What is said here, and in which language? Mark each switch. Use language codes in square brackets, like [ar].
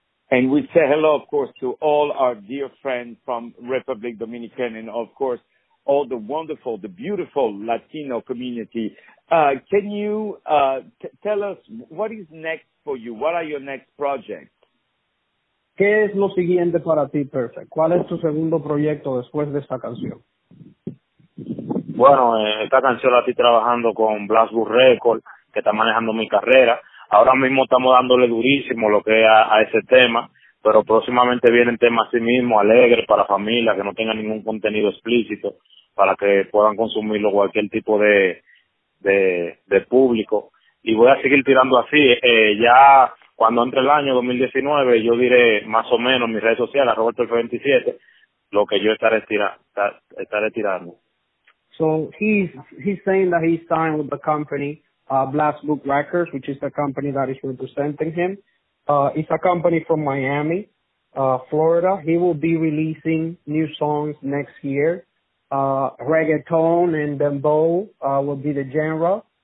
[en] And we say hello, of course, to all our dear friends from Republic Dominican and, of course, all the wonderful, the beautiful Latino community. Can you tell us what is next for you? What are your next projects? [es] ¿Qué es lo siguiente para ti, Perfect? ¿Cuál es tu segundo proyecto después de esta canción? Bueno, esta canción la estoy trabajando con Blasbus Record, que está manejando mi carrera. Ahora mismo estamos dándole durísimo lo que es a ese tema. pero próximamente vienen temas sí mismo, alegres para familias, que no tengan ningún contenido explícito, para que puedan consumirlo cualquier tipo de público. Y voy a seguir tirando así. Ya cuando entre el año 2019, yo diré más o menos en mis redes sociales, RobertoF27, lo que yo estaré tirando. [en] So he's saying that he's signed with the company, Blast Book Records, which is the company that is representing him. It's a company from Miami, Florida. He will be releasing new songs next year. Reggaeton and dembow will be the genre.